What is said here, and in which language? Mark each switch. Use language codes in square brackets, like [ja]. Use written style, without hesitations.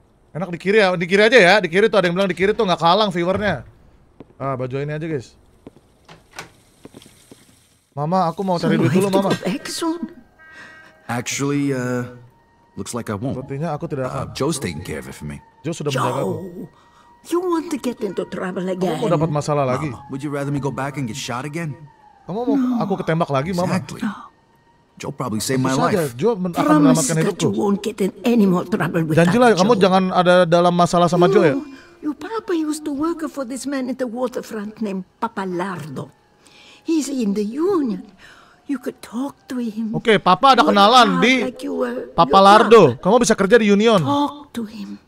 [id] Enak di kiri ya, di kiri aja ya, di kiri tuh ada yang bilang di kiri tuh gak kalang viewernya. Ah baju ini aja guys. Mama, aku mau cari duit dulu mama. [en] Actually, looks like I won't. [id] Sepertinya aku tidak akan. [en] Joe's taking care of it for me. [id] Joe sudah menjaga aku. [en] You want to get into trouble again? [id] Kamu mau dapat masalah lagi? [en] Mama, would you rather me go back and get shot again? [id] Kamu mau aku ketembak lagi, Mama? [en] Exactly. Joe probably saved my life. [id] Joe akan menyelamatkan hidupku. [en] You won't get in any more trouble with Joe. [id] Janjilah kamu jangan ada dalam masalah sama Joe ya. [en] Your papa used to work for this man at the waterfront named Pappalardo. He's in the union. You could talk to him. [id] Oke, okay, papa ada kenalan di Pappalardo. Kamu bisa kerja di union. [en] Talk to him.